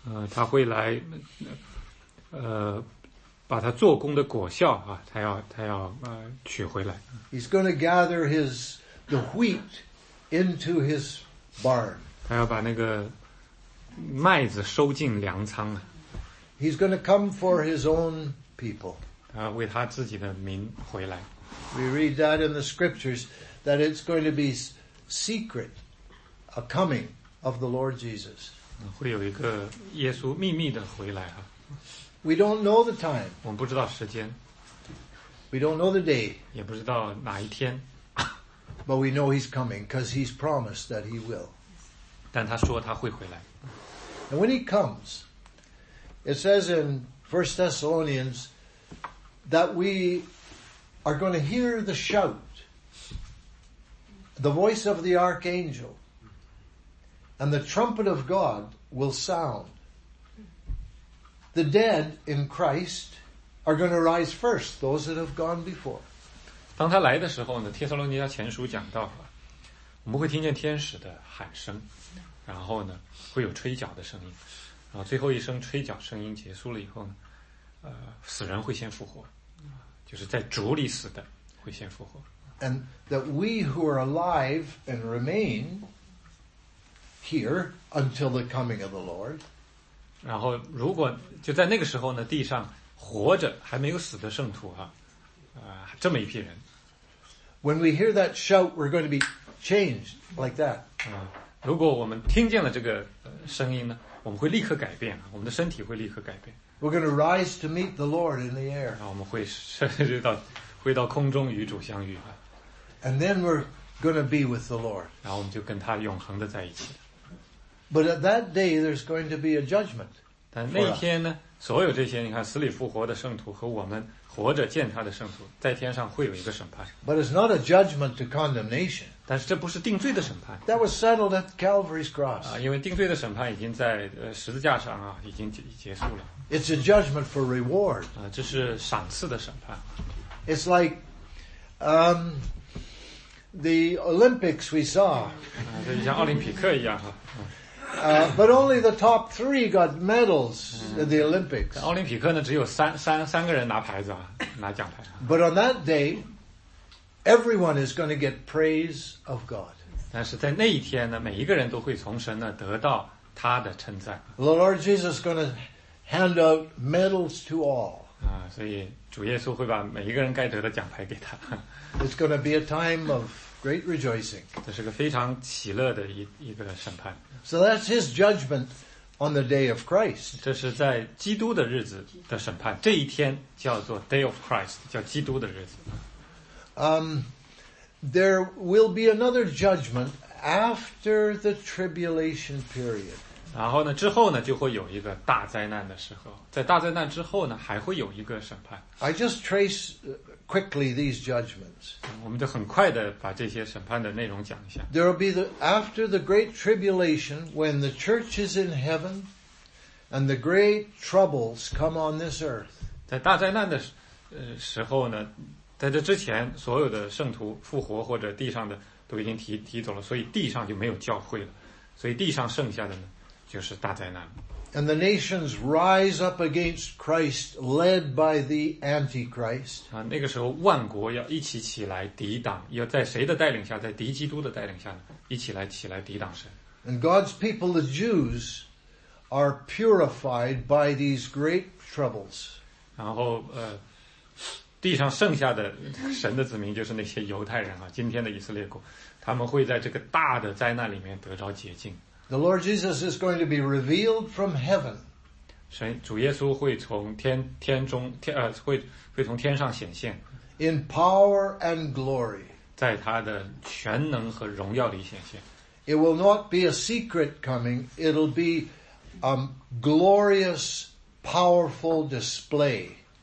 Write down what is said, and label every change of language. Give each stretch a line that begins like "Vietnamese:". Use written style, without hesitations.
Chinese: 他会来，把他做工的果效啊，他要取回来。
English: He's going to gather the wheat into his barn.
Chinese: 他要把那个麦子收进粮仓啊。
English: He's going to come for his own people.
Chinese: 他为他自己的民回来。
English: We read that in the scriptures that it's going to be. Secret, a coming of the Lord Jesus.
Chinese: 会有一个耶稣秘密的回来哈。
English: We don't know the time.
Chinese: 我们不知道时间。
English: We don't know the day.
Chinese: 也不知道哪一天。
English: But we know he's coming because he's promised that he will.
Chinese: 但他说他会回来。
English: And when he comes, it says in 1 Thessalonians that we are going to hear the shout. The voice of the archangel and the trumpet of God will sound. The dead in Christ are going to rise first, those that have gone before.
Chinese: 当他来的时候呢，帖撒罗尼迦前书讲到了，我们会听见天使的喊声，然后呢，会有吹角的声音，然后最后一声吹角声音结束了以后呢，死人会先复活，就是在主里死的会先复活。
English: And that we who are alive and remain here until the coming of the Lord.
Chinese: 然后如果就在那个时候呢，地上活着还没有死的圣徒哈，这么一批人。
English: When we hear that shout, we're going to be changed like that.
Chinese: 如果我们听见了这个声音呢，我们会立刻改变，我们的身体会立刻改变。
English: We're going to rise to meet the Lord in the air.
Chinese: 我们会升到。回到空中与主相遇。
English: And then we're going to be with the Lord.
Chinese: 然后我们就跟他永恒的在一起。
English: But at that day, there's going to be a judgment.
Chinese: 但那天呢，所有这些，你看死里复活的圣徒和我们活着见他的圣徒，在天上会有一个审判。
English: But it's not a judgment to condemnation.
Chinese: 但是这不是定罪的审判。
English: That was settled at Calvary's cross.
Chinese: 因为定罪的审判已经在十字架上啊，已经结束了。
English: It's a judgment for reward.
Chinese: 这是赏赐的审判。
English: It's like, the Olympics we saw.
Chinese: 就像奥林匹克一样哈。
English: But only the top three got medals at the Olympics.
Chinese: 奥林匹克呢，只有三个人拿牌子啊，拿奖牌。
English: But on that day, everyone is going to get praise of God.
Chinese: 但是在那一天呢，每一个人都会从神呢得到他的称赞。
English: The Lord Jesus is going to hand out medals to all.
Chinese: 所以。主耶稣会把每一个人该得的奖牌给他。
English: It's going to be a time of great rejoicing.
Chinese: 这是个非常喜乐的一个审判。
English: So that's his judgment on the day of Christ.
Chinese: 这是在基督的日子的审判。这一天叫做
English: Day of Christ,
Chinese: 叫基督的日子。
English: There will be another judgment after the tribulation period.
Chinese: 然后呢，之后呢，就会有一个大灾难的时候。在大灾难之后呢，还会有一个审判。
English: I just trace quickly these judgments.
Chinese: 我们就很快地把这些审判的内容讲一下。
English: There will be the, after the great tribulation, when the church is in heaven, and the great troubles come on this earth.
Chinese: 在大灾难的时候呢，在这之前，所有的圣徒复活或者地上的都已经提走了，所以地上就没有教会了。所以地上剩下的呢，就是大灾难。
English: And the nations rise up against Christ, led by the Antichrist.
Chinese: 啊，那个时候万国要一起起来抵挡，要在谁的带领下，在敌基督的带领下呢，一起来起来抵挡神。
English: And God's people, the Jews, are purified by these great troubles.
Chinese: 然后地上剩下的神的子民，就是那些犹太人啊，今天的以色列国，他们会在这个大的灾难里面得着洁净。
English: The Lord Jesus is going to be revealed from heaven.
Chinese: 神主耶稣会从会从天上显现。
English: In power and glory.
Chinese: 在他的全能和荣耀里显现。
English: It will not be a secret coming. It'll be a glorious, powerful display.